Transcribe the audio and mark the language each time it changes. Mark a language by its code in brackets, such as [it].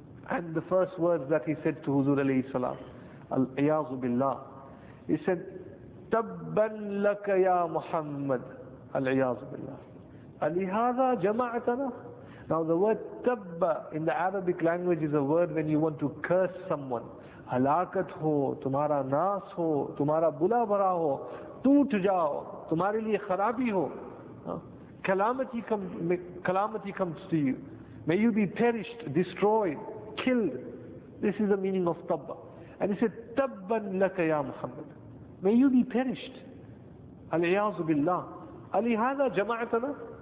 [en] And the first words that he said to Huzur alayhi salam, al-ayazu billah, he said, [ar] tabban laka ya Muhammad, [en] al-ayazu billah, [ar] alihada jama'atana. [en] Now the word tabba in the Arabic language is a word when you want to curse someone. [ur] ہلاکت ہو، تمہارا ناس ہو، تمہارا برا بھلا ہو، ٹوٹ جاؤ، تمہارے لیے خرابی ہو۔ [en] Calamity comes to you. May you be perished, destroyed, killed. This is the meaning of tabba. And he said, [ar] tabban laka ya Muhammad. [en] May you be perished. Al-iyazu billah. [ar] Alihada jama'atana.